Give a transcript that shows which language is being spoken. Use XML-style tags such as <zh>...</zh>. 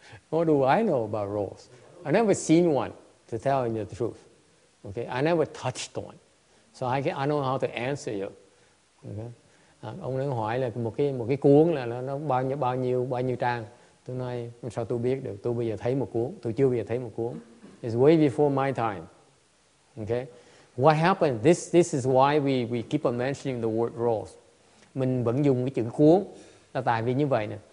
<en>What do I know about rolls? I never seen one, to tell you the truth. Okay, I never touched one. So I know how to answer you. Okay.</en> <vi>Ông ấy hỏi là một cái cuốn là nó bao nhiêu trang. Tôi nói sao tôi biết được? Tôi bây giờ thấy một cuốn. Tôi chưa bao giờ thấy một cuốn.</vi> <en>It's way before my time. Okay. What happened? This is why we keep on mentioning the word rolls.</en> <vi>Mình vẫn dùng cái chữ cuốn là tại vì như vậy nè.</vi>